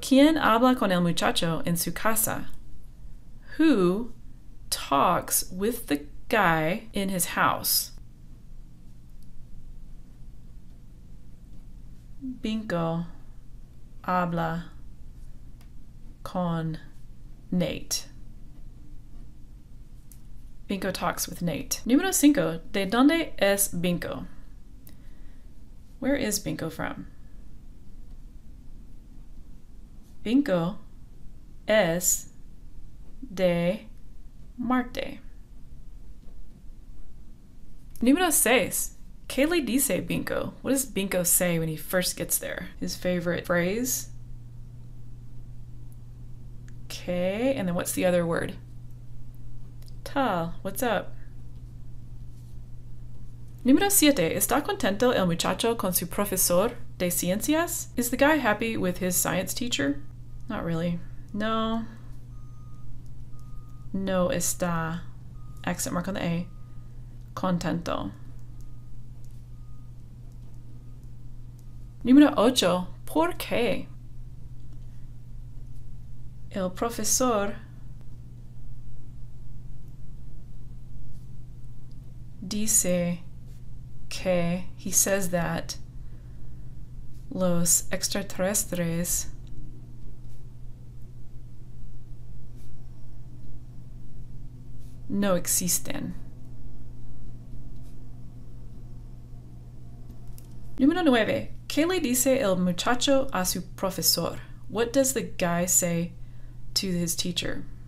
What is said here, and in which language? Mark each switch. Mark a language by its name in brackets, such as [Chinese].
[Spanish] ¿Quién habla con el muchacho en su casa? [English] Who talks with the guy in his house? [Spanish] Binko habla con Nate. [English] Binko talks with Nate. [Spanish] Número cinco. ¿De dónde es Binko? [English] Where is Binko from? [Spanish] Binko es de Marte. Número seis. ¿Qué le dice Binko? [English] What does Binko say when he first gets there? His favorite phrase? ¿Qué? And then what's the other word? Tal. What's up? [Spanish] Número siete. ¿Está contento el muchacho con su profesor de ciencias? [English] Is the guy happy with his science teacher? Not really. No. [Spanish] No está. Accent mark on the A. Contento. Número ocho. ¿Por qué? El profesor dice que [English] he says that [Spanish] los extraterrestres no existen. Número nueve. ¿Qué le dice el muchacho a su profesor? [English] What does the guy say to his teacher?